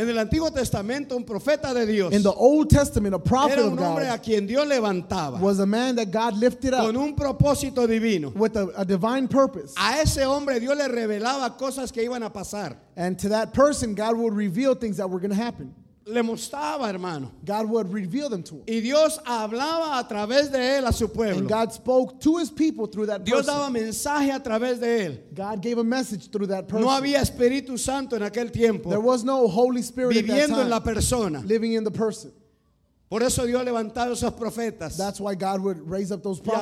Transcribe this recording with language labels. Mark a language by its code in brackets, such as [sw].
[es] En el Antiguo Testamento, un profeta de Dios. [en] In the Old Testament, a prophet of God. [es] Era un hombre a quien Dios levantaba. [en] Was a man that God lifted up. [es] Con un propósito divino. [en] With a divine purpose. [es] A ese hombre Dios le revelaba cosas que iban a pasar. [en] And to that person, God would reveal things that were going to happen. [es] Le mostraba, hermano. [en] God would reveal them to him. [es] Y Dios hablaba a través de él a su pueblo. [en] And God spoke to his people through that [es] Dios [en] person. [es] Daba mensaje a través de él. [en] God gave a message through that person. [es] No había Espíritu Santo en aquel tiempo. [en] There was no Holy Spirit [es] viviendo [en] at that time, [es] en la persona. [en] Living in the person. [es] Por eso Dios levantaba esos profetas. [en] That's why God would raise up those prophets.